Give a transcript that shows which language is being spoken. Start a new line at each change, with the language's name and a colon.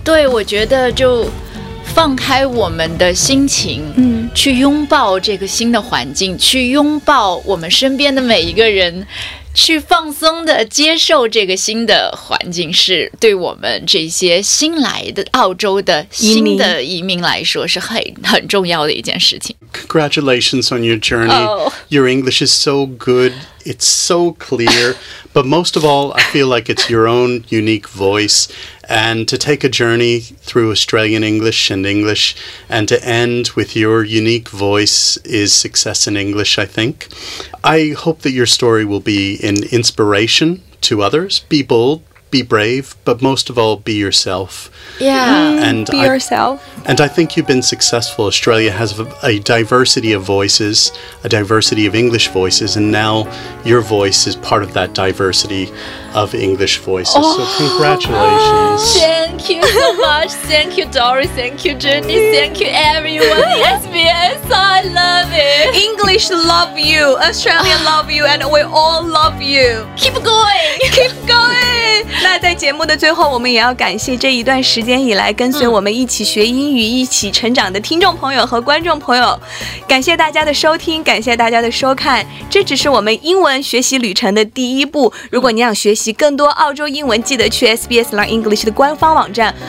Chinese: 对，我觉得就放开我们的心情，去拥抱这个新的环境，去拥抱我们身边的每一个人。去放松的接受这个新的环境，是对我们这些新来的澳洲的新的移民来说是很重要的一件事情。
English: Congratulations on your journey. Your English is so good. It's so clear. But most of all, I feel like it's your own unique voice. And to take a journey through Australian English and English and to end with your unique voice is success in English, I think. I hope that your story will be an inspiration to others. Be bold, be brave, but most of all, be yourself. Yeah, and be yourself. And I think you've been successful. Australia has a diversity of voices, a diversity of English voices, and now your voice is part of that diversity of English voices. Oh, so congratulations. Thank you so much. Thank you, Doris. Thank you, Jenny. Thank you, everyone. SBS, I love it. English love you. Australia love you. And we all love you. Keep going. Keep going.
Chinese: 那在节目的最后，我们也要感谢这一段时间以来跟随我们一起学英语、一起成长的听众朋友和观众朋友，感谢大家的收听，感谢大家的收看。这只是我们英文学习旅程的第一步。如果你想学习更多澳洲英文，记得去 SBS Learn English 的官方网站。